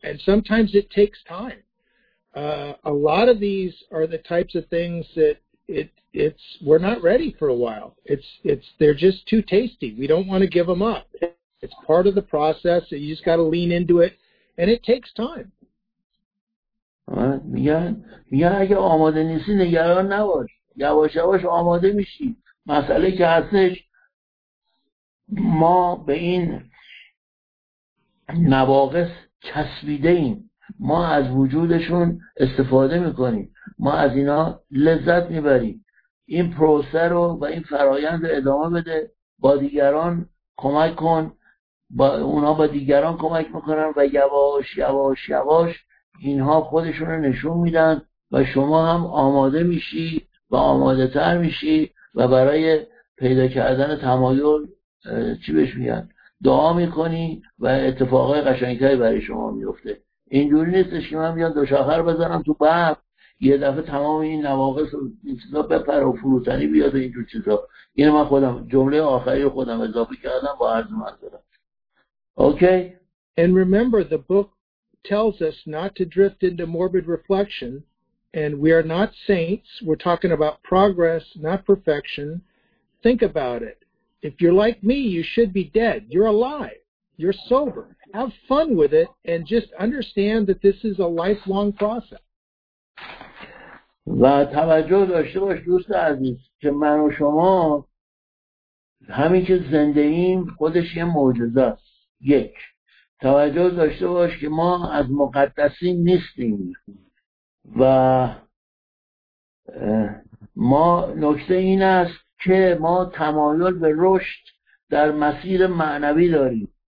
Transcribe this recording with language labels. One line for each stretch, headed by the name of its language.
English: And sometimes it takes time. A lot of these are the types of things that it's we're not ready for a while. It's they're just too tasty. We don't want to give them up. It's part of the process. So you just got to lean into it, and it takes time.
Persian: میگن اگه آماده نیستی نگران نباش. یواش یواش آماده میشی. مسئله که هستش ما به این نواقص چسبیده ایم، ما از وجودشون استفاده میکنیم، ما از اینا لذت میبریم. این پروسه رو و این فرایند ادامه بده، با دیگران کمک کن، با اونا با دیگران کمک میکنن و یواش یواش یواش اینها خودشون رو نشون میدن و شما هم آماده میشی و آماده تر میشی و برای پیدا کردن تمایل چی بهش میگن دعا میکنی و اتفاقای قشنگتری برای شما میفته. اینجوری نیستش که من بیان دو شاخر بزنم تو بعد یه دفعه تمام این نواقص و این چیزا بپر و فروتنی بیاد و اینجور چیزا. اینه من خودم جمله آخری خودم اضافه کردم با عرض معذرت. اوکی؟
English: And remember the book tells us not to drift into morbid reflection. And we are not saints. We're talking about progress, not perfection. Think about it. If you're like me, you should be dead. You're alive. You're sober. Have fun with it and just understand that this is a lifelong process.
Persian: و توجه داشته باش دوست عزیز که من و شما همین که زنده ایم خودش یه معجزه است. یک، توجه داشته باش که ما از مقدسین نیستیم و ما نکته این است که ما تمایل به رشد در مسیر معنوی داریم.